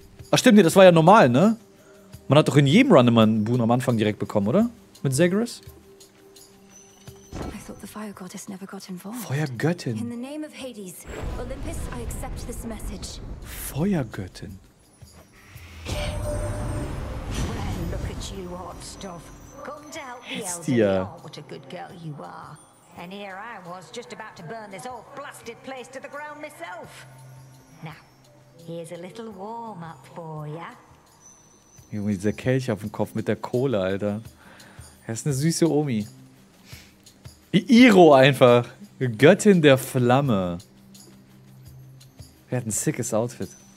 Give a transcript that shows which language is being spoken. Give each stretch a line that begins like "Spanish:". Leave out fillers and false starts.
German: Ach stimmt, nee, das war ja normal, ne? Man hat doch in jedem Run immer einen Boon am Anfang direkt bekommen, oder? Mit Zagreus?
English: I thought the Fire Goddess never got involved.
German: Feuergöttin.
English: In the name of Hades, Olympus, I accept this message.
German: Feuergöttin.
English: Well, look at you, hot stuff. Hestia. What a good girl you are. And here I was just about to burn this old blasted place to the ground myself. Now, here's a little warm-up for ya.
German: Junge, dieser Kelch auf dem Kopf mit der Kohle, Alter. Er ist eine süße Omi. Iroh einfach. Göttin der Flamme. Er hat ein sickes Outfit.